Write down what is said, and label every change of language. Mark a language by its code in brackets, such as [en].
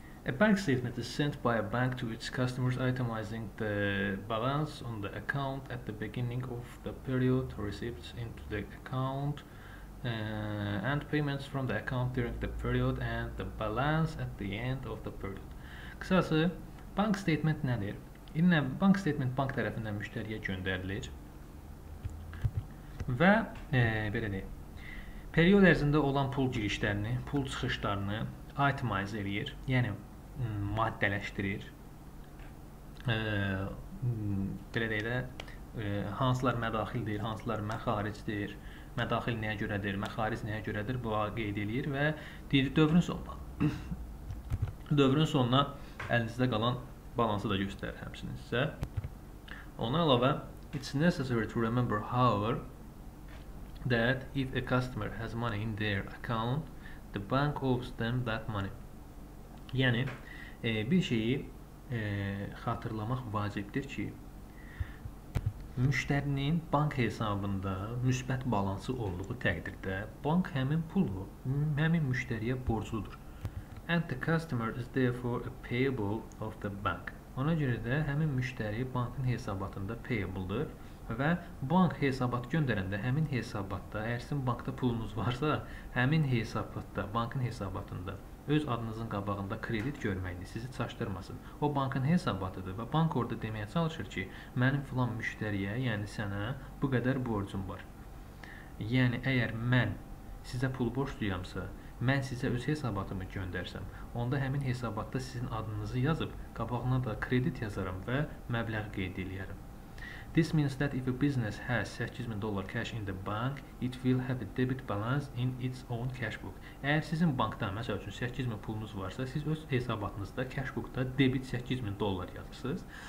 [en] A bank statement is sent by a bank to its customers itemizing the balance on the account at the beginning of the period, receipts into the account and payments from the account during the period and the balance at the end of the period. [az] Qısası, bank statement nədir? İlinə bank statement bank tərəfindən müştəriyə göndərilir və belə deyim, period ərzində olan pul girişlərini, pul çıxışlarını itemize edir, yəni maddələşdirir. Belə deyim də, hansılar mədaxildir, hansılar məxaricdir, mədaxil nəyə görədir, məxaric nəyə görədir, bu qeyd edir və deyir, dövrün sonuna dövrün sonuna əlinizdə qalan balansı da göstərir həmçinin sizə. Ona əlavə, [en] it's necessary to remember, however, that if a customer has money in their account, the bank owes them that money. [az] Yəni, bir şeyi xatırlamaq vacibdir ki, müştərinin bank hesabında müsbət balansı olduğu təqdirdə, bank həmin pulu, həmin müştəriyə borcludur. [en] And the customer is therefore a payable of the bank. [az] Ona görə də həmin müştəri bankın hesabatında payable-dır və bank hesabat göndərəndə həmin hesabatda, əgər sizin bankda pulunuz varsa, həmin hesabatda, bankın hesabatında öz adınızın qabağında kredit görməyini sizi çaşdırmasın. O bankın hesabatıdır və bank orada deməyə çalışır ki, mənim filan müştəriyə, yəni sənə bu qədər borcum var. Yəni, əgər mən sizə pul borcluyamsa, mən sizə öz hesabatımı göndərsəm, onda həmin hesabatda sizin adınızı yazıb, qabağına da kredit yazarım və məbləğ qeyd edəyərim. [en] This means that if a business has $8,000 cash in the bank, it will have a debit balance in its own cash book. [az] Əgər sizin bankda, məsəl üçün, 8000 pulunuz varsa, siz öz hesabatınızda, cash bookda debit $8,000 yazırsınız.